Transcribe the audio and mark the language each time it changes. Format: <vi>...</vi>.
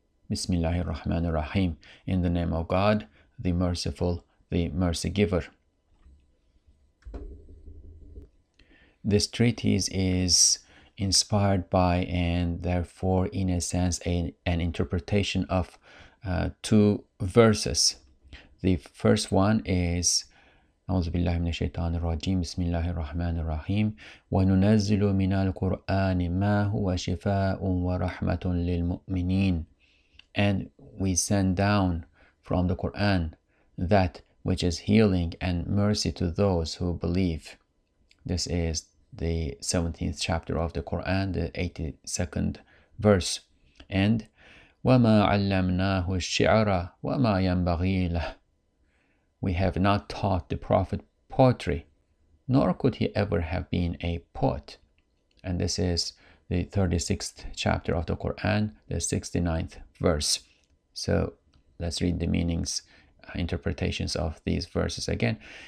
<en>Bismillahirrahmanirrahim. In the name of God, the merciful, the mercy giver. This treatise is inspired by and therefore in a sense an interpretation of two verses. The first one is</en> <ar>أعوذ بالله من الشيطان الرجيم بسم الله الرحمن الرحيم وننزل من القرآن ما هو شفاء ورحمة للمؤمنين.</ar> <en>And we send down from the Quran that which is healing and mercy to those who believe. This is the 17th chapter of the Quran, the 82nd verse.</en> <ar>And وَمَا عَلَّمْنَاهُ الشِّعْرَ وَمَا يَنْبَغِي لَهُ.</ar> <en>We have not taught the Prophet poetry, nor could he ever have been a poet. And this is the 36th chapter of the Quran, the 69th verse. So let's read the meanings, interpretations of these verses again.</en>